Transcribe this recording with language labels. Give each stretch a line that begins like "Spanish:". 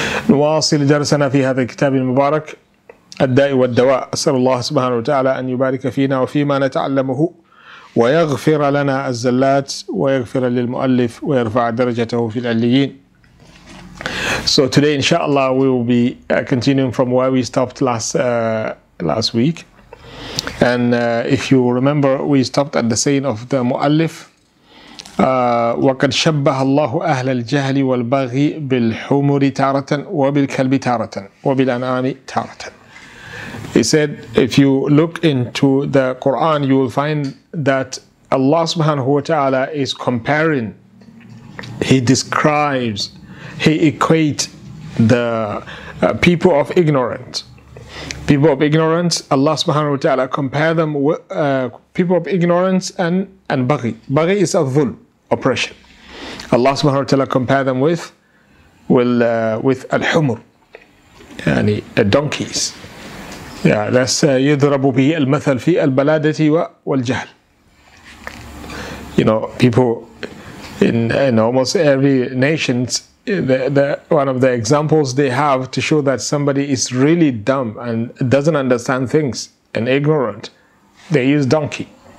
Arabic: نواصل درسنا في هذا الكتاب المبارك الداء والدواء أسأل الله سبحانه وتعالى أن يبارك فينا وفيما نتعلمه ويغفر لنا الزلات ويغفر للمؤلف ويرفع درجته في العليين.
English: So today inshallah we will be continuing from where we stopped last week. And if you remember, we stopped at the saying of the
Arabic: مؤلف وَقَدْ شَبَّهَ اللَّهُ أَهْلَ الْجَهْلِ وَالْبَغْيِ بِالْحُمُرِ تَارَةً وَبِالْكَلْبِ تَارَةً وَبِالْأَنْعَامِ تَارَةً.
English: He said, if you look into the Quran, you will find that Allah subhanahu wa ta'ala is comparing, he describes, he equates the people of ignorance. People of ignorance, Allah subhanahu wa ta'ala compare them with people of ignorance and baghi. Baghi is a dhul, oppression. Allah subhanahu wa ta'ala compare them with al-humur, yani donkeys. Yeah, that's
Arabic: يُضْرَبُ بِهِ الْمَثَلْ فِي الْبَلَادَةِ وَالْجَهْلِ.
English: You know, people in almost every nation, one of the examples they have to show that somebody is really dumb and doesn't understand things and ignorant, they use donkey.